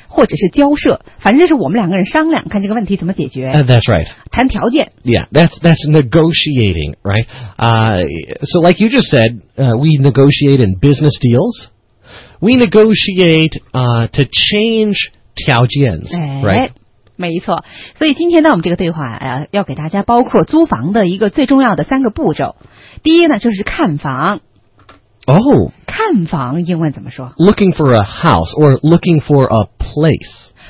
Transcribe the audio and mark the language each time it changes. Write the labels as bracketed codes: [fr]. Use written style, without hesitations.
[zh] 或者是交涉，反正是我们两个人商量，看这个问题怎么解决。 [en] That's right. [zh] 谈条件。 [en] Yeah, that's negotiating, right? So like you just said, we negotiate in business deals. We negotiate to change 条件、哎、 right? [zh] 没错，所以今天呢，我们这个对话要给大家包括租房的一个最重要的三个步骤。第一呢，就是看房。 Oh, 看房英文怎么说 [en] ？Looking for a house or looking for a place.